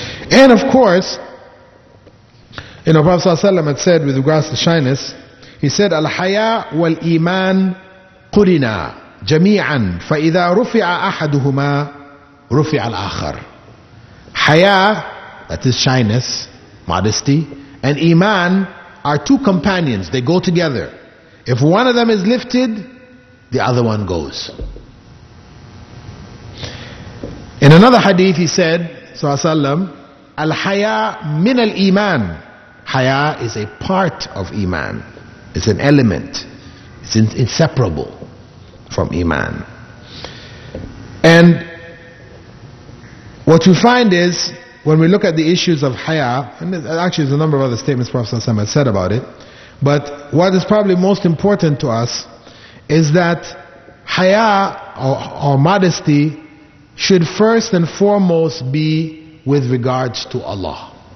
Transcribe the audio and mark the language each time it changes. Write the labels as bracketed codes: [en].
[en] And of course, you know, Prophet Sallallahu Alaihi Wasallam had said with regards to shyness, he said, Al-haya wal-iman [ar] قرنا جميعا فإذا رفع أحدهما رفع الآخر. [en] حياء, that is shyness, modesty, and إيمان are two companions. They go together. If one of them is lifted, the other one goes. In another hadith, he said, صلى الله عليه وسلم, [ar] الحياء من الإيمان. [en] حياء is a part of إيمان. It's an element. It's inseparable from Iman. And what you find is, when we look at the issues of Haya, and actually there's a number of other statements Prophet ﷺ has said about it, but what is probably most important to us is that Haya or modesty should first and foremost be with regards to Allah.